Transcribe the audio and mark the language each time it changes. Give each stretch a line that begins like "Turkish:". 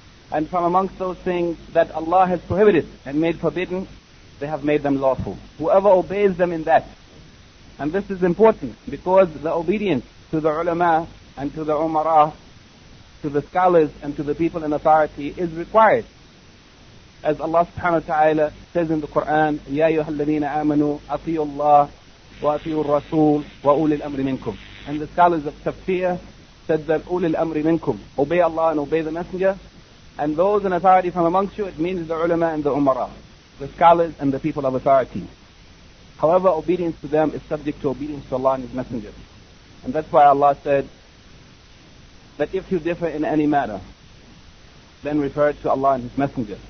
English: And from amongst those things that Allah has prohibited and made forbidden, they have made them lawful. Whoever obeys them in that, and this is important because the obedience to the ulama and to the umara, to the scholars and to the people in authority is required. As Allah subhanahu wa ta'ala says in the Quran,
Arabic: يَا أَيُّهَا الَّذِينَ آمَنُوا أَطِيعُوا اللَّهَ وَأَطِيعُوا الرَّسُولَ وَأُولِي الْأَمْرِ مِنْكُمْ.
English: And the scholars of tafsir said that
Arabic: أُولِي الْأَمْرِ مِنْكُمْ,
English: obey Allah and obey the Messenger, and those in authority from amongst you, it means the ulama and the umara, the scholars and the people of authority. However, obedience to them is subject to obedience to Allah and His Messenger. And that's why Allah said that if you differ in any matter, then refer to Allah and His Messenger.